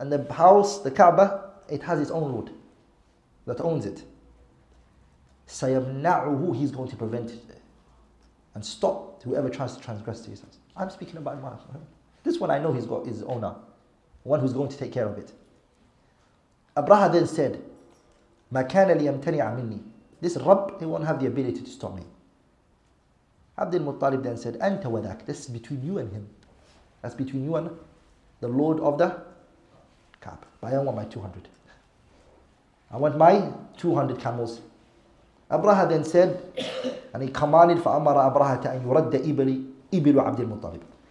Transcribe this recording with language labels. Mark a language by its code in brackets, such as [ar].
[en] And the house, the Kaaba, it has its own Lord that owns it. [ar] سَيَمْنَعُهُ. [en] He's going to prevent it and stop whoever tries to transgress to his house. I'm speaking about my house. This one I know he's got his owner, one who's going to take care of it. Abraha then said, [ar] مَا كَانَ لِيَمْتَنِعَ مِنِّي. [en] This Rabb, he won't have the ability to stop me. Abdul Muttalib then said, [ar] أَنْتَ وَذَاك. [en] This is between you and him. That's between you and the Lord of the Kaab. But I don't want my 200. I want my 200 camels. Abraha then said, and he commanded for Amara Abraha to [ar] يُرَدَّ إِبَلِي إِبِلُ عَبْدِ الْمُطَّلِبِ.